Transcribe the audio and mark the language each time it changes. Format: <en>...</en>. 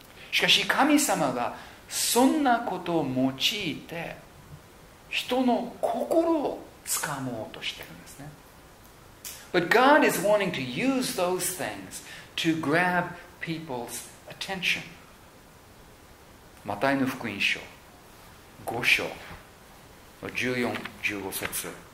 <ja>しかし神様がそんなことを用いて人の心をつかもうとしてるんですね。</ja> <en>But God is wanting to use those things to grab people's attention.</en> <ja>マタイの福音書5章の14、15節。</ja>